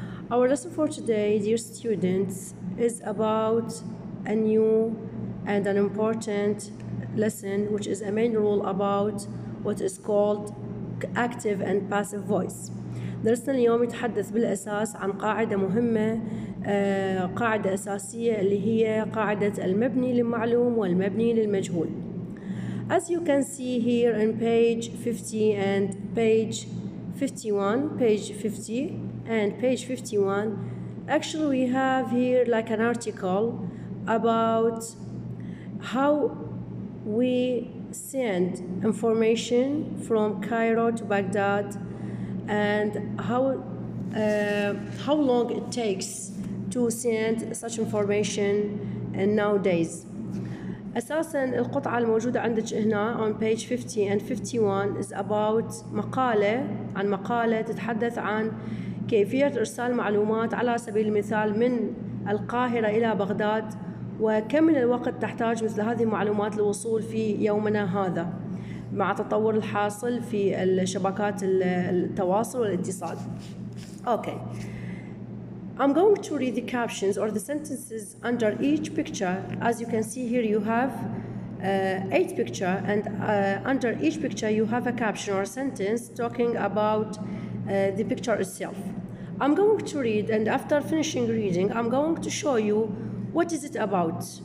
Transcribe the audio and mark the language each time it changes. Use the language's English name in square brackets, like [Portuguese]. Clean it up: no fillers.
[English] Our lesson for today, dear students, is about a new and an important lesson, which is a main rule about what is called active and passive voice. [Arabic] درسنا اليوم يتحدث بالأساس عن قاعدة مهمة، قاعدة أساسية اللي هي قاعدة المبني للمعلوم والمبني للمجهول. [English] As you can see here in page 50 and page 51, page 50 and page 51, actually we have here like an article about how we send information from Cairo to Baghdad and how long it takes to send such information and nowadays. [Arabic] أساسا القطعة الموجودة عندك هنا [English] on page 50 and 51 is about [Arabic] مقالة، عن مقالة تتحدث عن كيفية إرسال معلومات على سبيل المثال من القاهرة إلى بغداد، وكم من الوقت تحتاج مثل هذه المعلومات للوصول في يومنا هذا مع التطور الحاصل في الشبكات التواصل والاتصال. [English] Okay. I'm going to read the captions or the sentences under each picture. As you can see here, you have 8 picture and under each picture you have a caption or a sentence talking about the picture itself. I'm going to read and after finishing reading, I'm going to show you what is it about?